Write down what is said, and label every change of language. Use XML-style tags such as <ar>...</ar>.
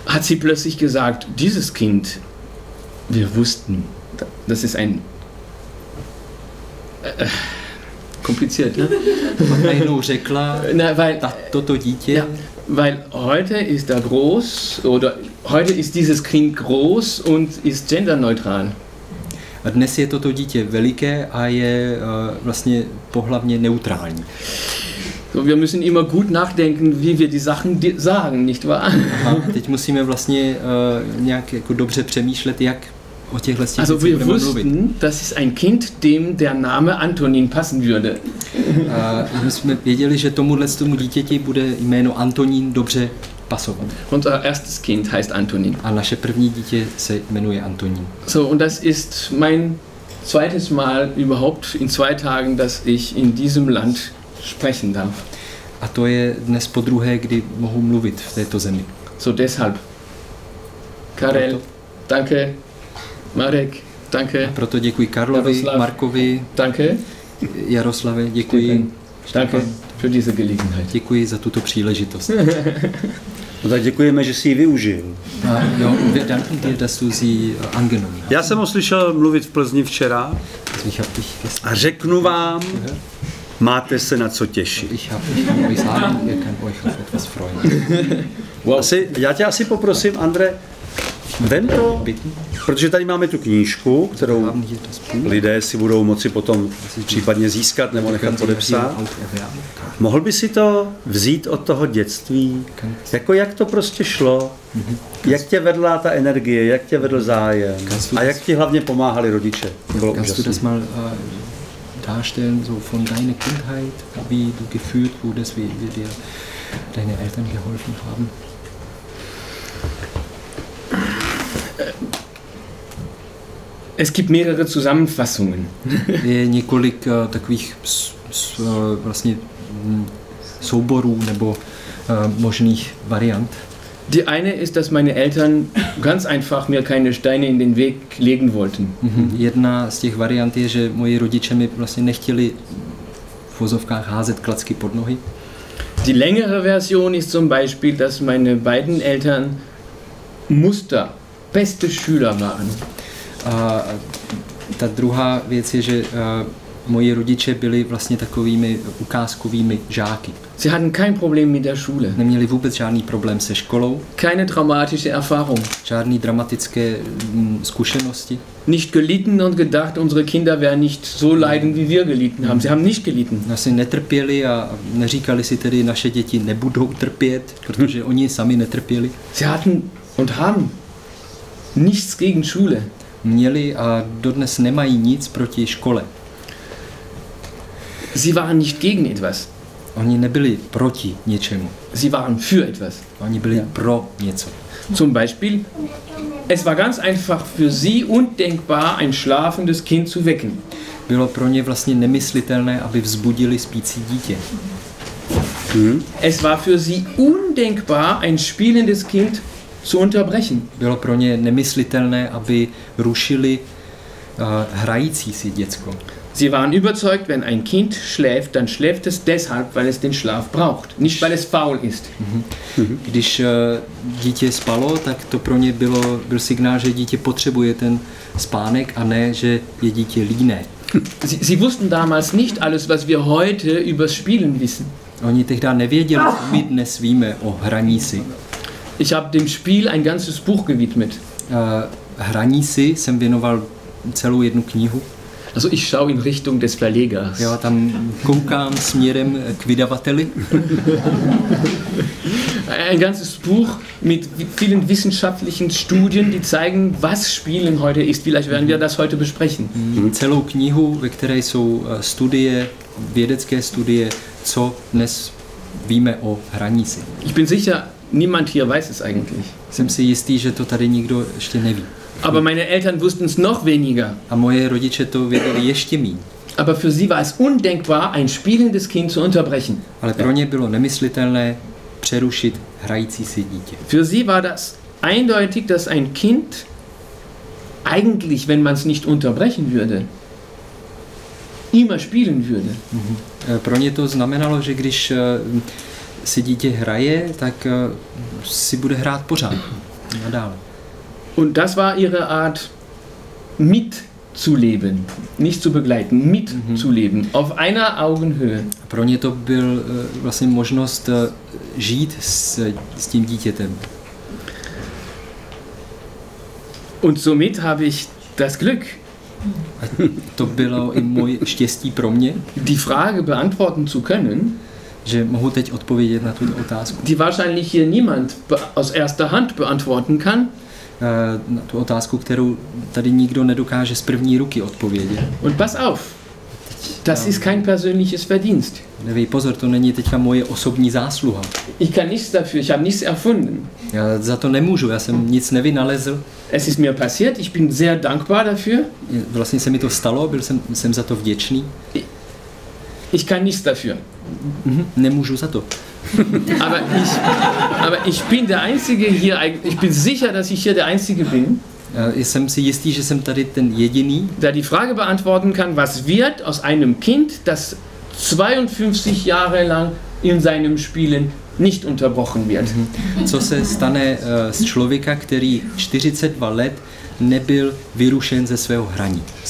<de>hat sie plötzlich gesagt, dieses Kind, wir wussten, das ist ein kompliziert, ne?</de> <cs>Najednou řekla, toto dítě,</cs> <de>weil heute ist er groß oder heute ist dieses Kind groß und ist genderneutral.</de> <cs>A dnes je toto dítě veliké a je vlastně pohlavně neutrální.</cs> <de>So, wir müssen immer gut nachdenken, wie wir die Sachen sagen, nicht wahr?</de> <cs>Teď musíme vlastně nějak jako dobře přemýšlet, jak o těchhle</cs> <de>stěch Also wir wussten, das ist ein Kind, dem der Name Antonín passen würde.</de> <cs>My jsme věděli, že tomuhle tomu dítěti bude jméno Antonín dobře pasovat.</cs> <de>Unser erstes Kind heißt Antonín.</de> <cs>A naše první dítě se jmenuje Antonín.</cs> <de>So, und das ist mein zweites Mal überhaupt in zwei Tagen, dass ich in diesem Land sprechen darf.</de> <cs>A to je dnes po druhé, kdy mohu mluvit v této zemi.</cs> <de>So deshalb. Karel, danke. Marek, danke.</de> <cs>A proto děkuji Karlovi, Jaroslav. Markovi.</cs> <de>Danke.</de> <cs>Jaroslave, děkuji.</cs> <de>Danke für diese Gelegenheit.</de> <cs>Děkuji za tuto příležitost. No tak děkujeme, že jsi ji využil.</cs> <de>Jo, wir danken dir, dass du sie angenommen hast.</de> <cs>Já jsem ho slyšel mluvit v Plzni včera. A řeknu vám, máte se na co těšit.</cs> <de>Ich habe mich sagen, ihr könnt euch auf etwas freuen.</de> <cs>Asi, já tě asi poprosím, Andre, vem to, protože tady máme tu knížku, kterou lidé si budou moci potom případně získat nebo nechat podepsat. Mohl by si to vzít od toho dětství? Jako jak to prostě šlo? Jak tě vedla ta energie? Jak tě vedl zájem? A jak ti hlavně pomáhali rodiče? Bylo úžasné.</cs> <de>Darstellen, so von deiner Kindheit, wie du gefühlt wurdest, wie dir deine Eltern geholfen haben. Es gibt mehrere Zusammenfassungen.</de> <cs>Několik takových vlastně souborů nebo možných variant.</cs> <de>Die eine ist, dass meine Eltern ganz einfach mir keine Steine in den Weg legen wollten.</de> <cs>Jedna z těch variant je, že moji rodiče mi vlastně nechtěli v vozovkách házet klacky pod nohy.</cs> <de>Die längere Version ist zum Beispiel, dass meine beiden Eltern Muster, beste Schüler waren.</de> <cs>A ta druhá věc je, že moji rodiče byli vlastně takovými ukázkovými žáky.</cs> <de>Sie hatten kein Problem mit der Schule.</de> <cs>Neměli vůbec žádný problém se školou.</cs> <de>Keine traumatische Erfahrung.</de> <cs>Žádný dramatické zkušenosti.</cs> <de>Nicht gelitten und gedacht, unsere Kinder werden nicht so leiden, wie wir gelitten haben. Sie haben nicht gelitten.</de> <cs>Asi netrpěli a neříkali si tedy, naše děti nebudou trpět, protože oni sami netrpěli.</cs> <de>Sie hatten und haben nichts gegen Schule.</de> <cs>Měli a dodnes nemají nic proti škole.</cs> <de>Sie waren nicht gegen etwas.</de> <cs>Oni nebyli proti něčemu.</cs> <de>Sie waren für etwas.</de> <cs>Oni byli pro něco.</cs> <de>Zum Beispiel, es war ganz einfach für sie undenkbar, ein schlafendes Kind zu wecken.</de> <cs>Bylo pro ně vlastně nemyslitelné, aby vzbudili spící dítě.</cs> <de>Es war für sie undenkbar, ein spielendes Kind zu unterbrechen.</de> <cs>Bylo pro ně nemyslitelné, aby rušili hrající si děcko.</cs> <de>Sie waren überzeugt, wenn ein Kind schläft, dann schläft es deshalb, weil es den Schlaf braucht, nicht weil es faul ist.</de> <cs>Když dítě spalo, tak to pro ně byl signál, že dítě potřebuje ten spánek, a ne, že je dítě líné.</cs> <de>Sie wussten damals nicht alles, was wir heute über Spielen wissen.</de> <cs>Oni tehdy nevěděli, co my dnes víme o hraní si.</cs> <de>Ich habe dem Spiel ein ganzes Buch gewidmet.</de> <cs>Hraní si jsem věnoval celou jednu knihu.</cs> <de>Also ich schaue in Richtung des Verlegers.</de> <cs>Jo, tam koukám směrem k vydavateli.</cs> <de>Ein ganzes Buch mit vielen wissenschaftlichen Studien, die zeigen, was Spielen heute ist. Vielleicht werden wir das heute besprechen.</de> <cs>Celou knihu, ve které jsou studie, vědecké studie, co dnes víme o hraní si.</cs> <de>Ich bin sicher, niemand hier weiß es eigentlich.</de> <cs>Jsem si jistý, že to tady nikdo ještě neví.</cs> <de>Aber meine Eltern wussten es noch weniger.</de> <cs>A moje rodiče to věděli ještě míň.</cs> <de>Aber für sie war es undenkbar, ein spielendes Kind zu unterbrechen.</de> <cs>Ale pro ně bylo nemyslitelné přerušit hrající si dítě.</cs> <de>Für sie war das eindeutig, dass ein Kind eigentlich, wenn man es nicht unterbrechen würde, immer spielen würde.</de> <cs>Pro ně to znamenalo, že když si dítě hraje, tak si bude hrát pořád. Nadále.</cs> <de>Und das war ihre Art mitzuleben, nicht zu begleiten, mitzuleben, auf einer Augenhöhe.</de> <cs>Pro ně to byl vlastně možnost žít s tím dítětem.</cs> <de>Und somit habe ich das Glück.</de> <cs>A to bylo i moje štěstí pro mě.</cs> <de>Die Frage beantworten zu können.</de> <cs>Že mohu teď odpovědět na tu otázku.</cs> <de>Die wahrscheinlich hier niemand aus erster Hand beantworten kann.</de> <cs>na tu otázku, kterou tady nikdo nedokáže z první ruky odpovědět.</cs> <de>Und pass auf, das ist kein persönliches Verdienst.</de> <cs>Nevej, pozor, to není teďka moje osobní zásluha.</cs> <de>Ich kann nichts dafür, ich habe nichts erfunden.</de> <cs>Já za to nemůžu, já jsem nic nevynalezl.</cs> <de>Es ist mir passiert, ich bin sehr dankbar dafür.</de> <cs>Vlastně se mi to stalo, byl jsem za to vděčný.</cs> <de>Ich kann nichts dafür.</de> <cs>Nemůžu za to.</cs> <de>aber ich bin der einzige hier, ich bin sicher, dass ich hier der einzige bin.</de> <cs>Jsem si jistý, že jsem tady ten jediný.</cs> <de>Der die Frage beantworten kann, was wird aus einem Kind, das 52 Jahre lang in seinem Spielen nicht unterbrochen wird.</de> <cs>Co se stane z člověka, který 42 let nebyl vyrušen ze svého hraní?</cs>